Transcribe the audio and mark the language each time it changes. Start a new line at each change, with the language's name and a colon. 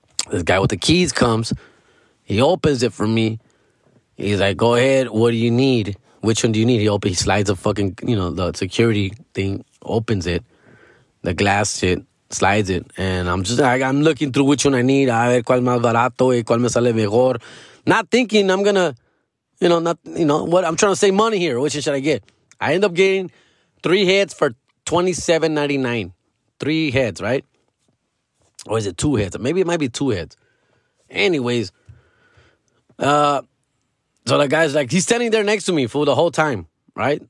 English: This guy with the keys comes. He opens it for me. He's like, go ahead. What do you need? Which one do you need? He slides a fucking, you know, the security thing, opens it. The glass shit, slides it. And I'm looking through which one I need.
Spanish: A ver cuál más barato y cuál me sale mejor.
English: Not thinking I'm going to, what I'm trying to save money here. Which one should I get? I end up getting three heads for $27.99. Three heads, right? Or is it two heads? Maybe it might be two heads. Anyways, so the guy's like, he's standing there next to me, fool, the whole time, right?